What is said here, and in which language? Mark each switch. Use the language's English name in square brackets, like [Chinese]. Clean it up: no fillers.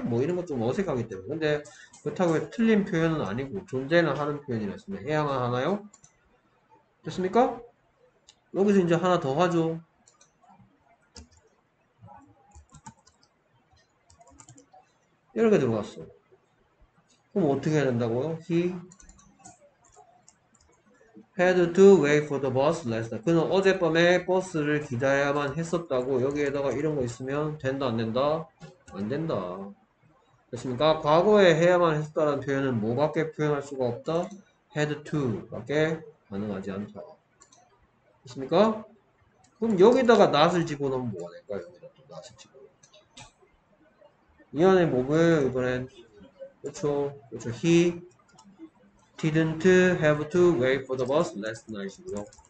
[Korean] 뭐 이런 것좀 어색하기 때문에. 근데 그렇다고 해, 틀린 표현은 아니고 존재는 하는 표현이라 했습니다. 해야만 하나요? 됐습니까? 여기서 이제 하나 더 하죠. 이렇게 들어갔어. 그럼 어떻게 해야 된다고요? [English] He had to wait for the bus last night. [Korean] 그는 어젯밤에 버스를 기다려야만 했었다고. 여기에다가 이런 거 있으면 된다, 안 된다? 안 된다. 됐습니까? 과거에 해야만 했었다는 표현은 뭐밖에 표현할 수가 없다? had to밖에 가능하지 않다. 됐습니까? 그럼 여기다가 not을 집어넣으면 뭐가 될까요? 여기다가 또 not을 집어넣으면. 이 안에 뭐 보여요, 이번엔? 그쵸, 그쵸. [English] He didn't have to wait for the bus last night이고요.